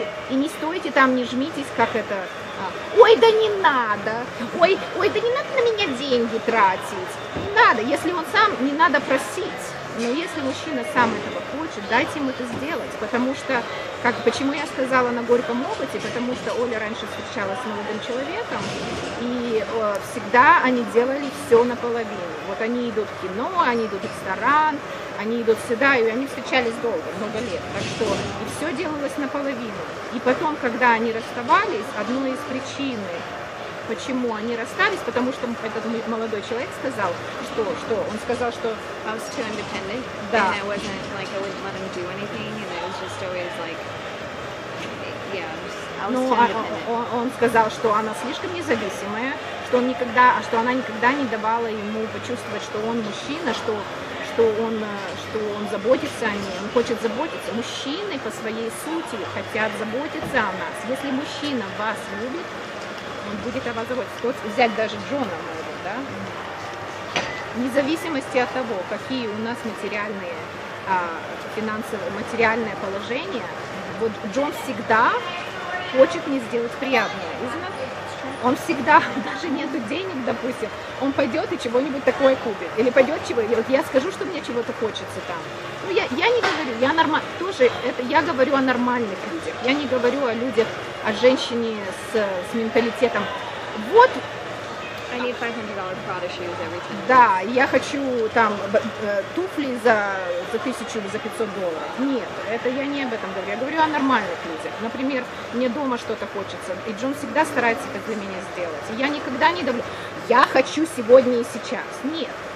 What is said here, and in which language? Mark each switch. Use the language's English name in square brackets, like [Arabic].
[Russian] И не стойте там, не жмитесь, как это, ой, да не надо, ой, да не надо на меня деньги тратить, не надо, если он сам, не надо просить, но если мужчина сам этого хочет, дайте ему это сделать, потому что, как, почему я сказала на горьком опыте, потому что Оля раньше встречалась с молодым человеком, и всегда они делали все наполовину, вот они идут в кино, они идут в ресторан, они идут сюда, и они встречались долго, много лет. Так что и все делалось наполовину. И потом, когда они расставались, одной из причин, почему они расстались, потому что этот молодой человек сказал, что он сказал, что [English] I was too independent. [Russian] Да. [English] And I wasn't like I wouldn't let him do anything, and I was just always like, yeah, I was too independent. [Russian] Он сказал, что она слишком независимая, что она никогда не давала ему почувствовать, что он мужчина, что он заботится о ней, он хочет заботиться. Мужчины по своей сути хотят заботиться о нас. Если мужчина вас любит, он будет о вас заботиться. Вот взять даже Джона моего, да? Вне зависимости от того, какие у нас материальные, финансовые, материальное положение, вот Джон всегда хочет мне сделать приятное. [English] Isn't that true? [Russian] он всегда, даже нету денег, допустим, он пойдет и чего-нибудь такое купит. Или пойдет чего, и вот я скажу, что мне чего-то хочется там. Ну, я не говорю, я нормально, тоже это, я говорю о нормальных людях. Я не говорю о людях, о женщине с менталитетом. Вот. [English] I need $500 Prada shoes every time. [Russian] Да, я хочу там туфли за 1000 или за $500. Нет, это я не об этом говорю. Я говорю о нормальных людях. Например, мне дома что-то хочется, и Джон всегда старается это для меня сделать. И я никогда не говорю, я хочу сегодня и сейчас. Нет.